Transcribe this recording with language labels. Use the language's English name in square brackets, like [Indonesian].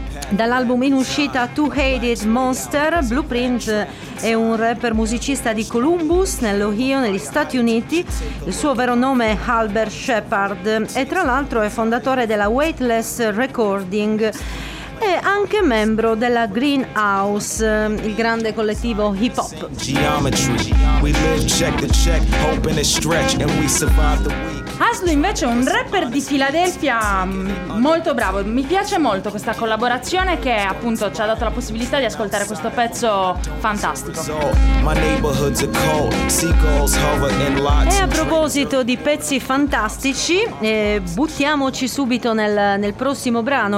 [Italian] Dall'album in uscita To Hate It Monster, Blueprint è un rapper musicista di Columbus, nell'Ohio, negli Stati Uniti. Il suo vero nome è Albert Shepard e tra l'altro è fondatore della Weightless Recording. È anche membro della Greenhouse, il grande collettivo hip hop. [English] Geometry, we live check to check, hoping to stretch and we survive the week. [Italian] Haslo invece è un rapper di Philadelphia molto bravo. Mi piace molto questa collaborazione che appunto ci ha dato la possibilità di ascoltare questo pezzo fantastico. E a proposito di pezzi fantastici, buttiamoci subito nel prossimo brano.